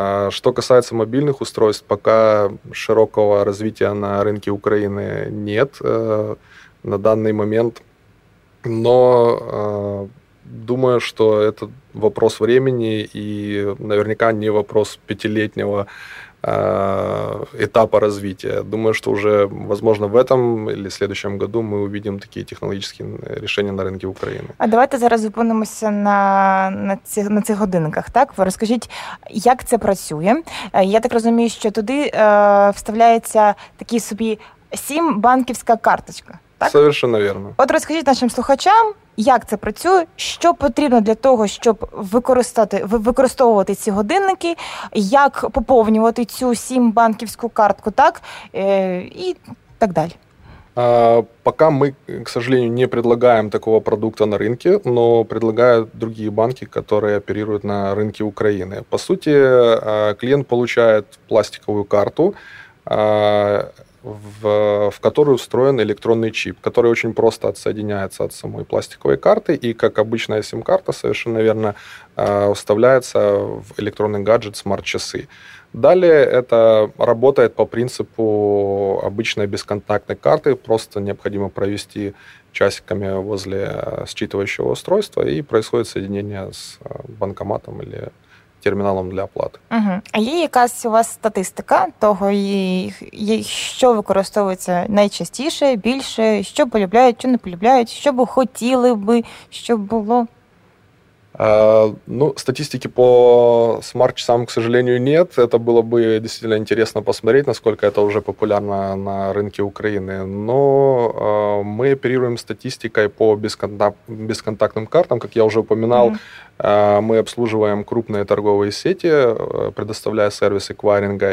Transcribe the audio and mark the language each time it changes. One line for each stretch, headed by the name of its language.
Russian: Что касается мобильных устройств, пока широкого развития на рынке Украины нет на данный момент, но думаю, что это вопрос времени и наверняка не вопрос пятилетнего этапа развития. Думаю, что уже, возможно, в этом или в следующем году мы увидим такие технологические решения на рынке Украины.
Ukrainian: А давайте зараз зупинимося на цих годинниках, так? Ви розкажіть, як це працює? Я так розумію, що туди вставляється такі собі SIM-банківська карточка, так?
Russian: Совершенно верно.
Ukrainian: От розкажіть нашим слухачам, як це працює, що потрібно для того, щоб використовувати ці годинники, як поповнювати цю SIM-банківську картку, так, і так далі.
Russian: Пока мы, к сожалению, не предлагаем такого продукта на рынке, но предлагают другие банки, которые оперируют на рынке Украины. По сути, клиент получает пластиковую карту, в которую встроен электронный чип, который очень просто отсоединяется от самой пластиковой карты и, как обычная сим-карта, совершенно верно, вставляется в электронный гаджет, смарт-часы. Далее это работает по принципу обычной бесконтактной карты, просто необходимо провести часиками возле считывающего устройства, и происходит соединение с банкоматом или
Ukrainian: терміналом для оплати. Угу. А є якась у вас статистика того, що використовується найчастіше, більше, що полюбляють, що не полюбляють, що би хотіли би, щоб було?
Russian: Ну, статистики по смарт-часам, к сожалению, нет. Это было бы действительно интересно посмотреть, насколько это уже популярно на рынке Украины. Но мы оперируем статистикой по бесконтактным картам. Как я уже упоминал, мы обслуживаем крупные торговые сети, предоставляя сервис эквайринга.